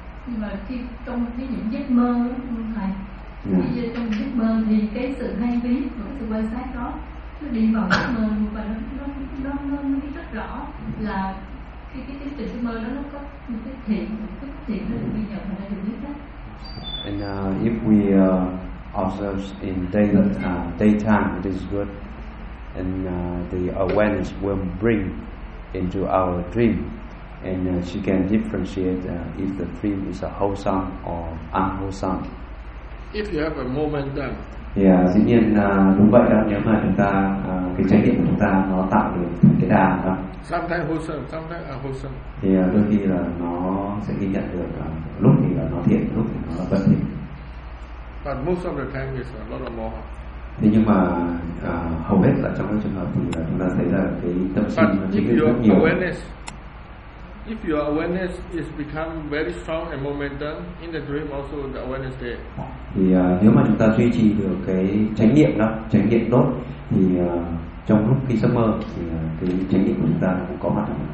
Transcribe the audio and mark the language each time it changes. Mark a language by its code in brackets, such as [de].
[vi] Nhưng mà khi trong cái những giấc mơ như thầy, khi như trong giấc mơ thì cái sự hay biết của sự quan sát đó nó đi vào giấc mơ và nó biết rất rõ là cái tiến trình giấc mơ đó nó có những cái thiện, cái bất thiện nó được ghi nhận và nó được biết đó. [en] And if we observes in daytime, it is good, and the awareness will bring into our dream, and she can differentiate if the dream is a wholesome or unwholesome. If you have a moment then. [vi] Yeah, dĩ nhiên đúng vậy đó. Nếu mà chúng ta cái trải nghiệm của chúng ta nó tạo được cái đà đó. [en] Sometimes wholesome, sometimes unwholesome. [vi] Thì đôi khi là nó sẽ ghi nhận được lúc thì là nó thiện, lúc thì nó là bất thiện. [en] But most of the time is a lot of more. [vi] Thế nhưng mà hầu hết là trong các trường hợp thì chúng ta thấy là cái tâm sinh nó chiếm rất nhiều. [en] If your awareness is become very strong and momentum in the dream, also the awareness there. [vi] Thì nếu mà chúng ta duy trì được cái chánh niệm đó, chánh niệm tốt, thì trong lúc khi giấc mơ thì cái chánh niệm của chúng ta cũng có mặt.